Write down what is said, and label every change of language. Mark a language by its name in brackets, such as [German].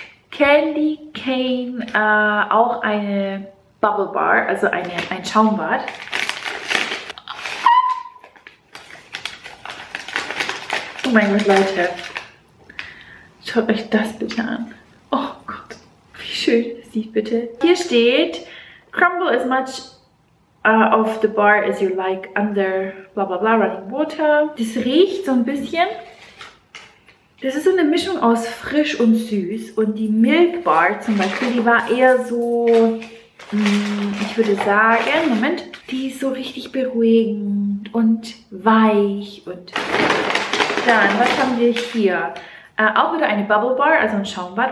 [German] Candy Cane, auch eine Bubble Bar, also ein Schaumbad. Oh mein Gott, Leute. Schaut euch das bitte an. Oh Gott, wie schön das sieht, bitte. Hier steht, [English] crumble as much of the bar as you like under blah blah blah running water. [German] Das riecht so ein bisschen. Das ist so eine Mischung aus frisch und süß. Und die Milk Bar zum Beispiel, die war eher so, ich würde sagen, Moment, die ist so richtig beruhigend und weich. Und dann, was haben wir hier? Auch wieder eine Bubble Bar, also ein Schaumbad.